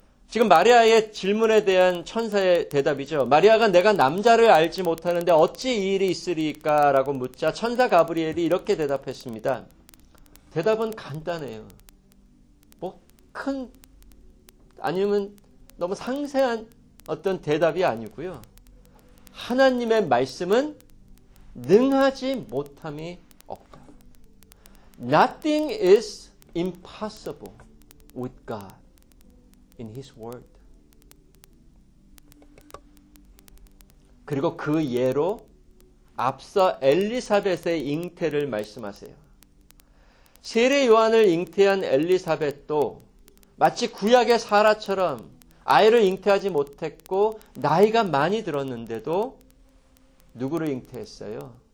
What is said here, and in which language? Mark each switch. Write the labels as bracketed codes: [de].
[ko] 지금 마리아의 질문에 대한 천사의 대답이죠. 마리아가 내가 남자를 알지 못하는데 어찌 이 일이 있으리까 라고 묻자 천사 가브리엘이 이렇게 대답했습니다. 대답은 간단해요. 뭐 큰 아니면 너무 상세한 어떤 대답이 아니고요. 하나님의 말씀은 능하지 못함이 없다. [en] Nothing is impossible with God in His word. [ko] 그리고 그 예로 앞서 엘리사벳의 잉태를 말씀하세요. 세례 요한을 잉태한 엘리사벳도 마치 구약의 사라처럼 아이를 잉태하지 못했고 나이가 많이 들었는데도 누구를 잉태했어요?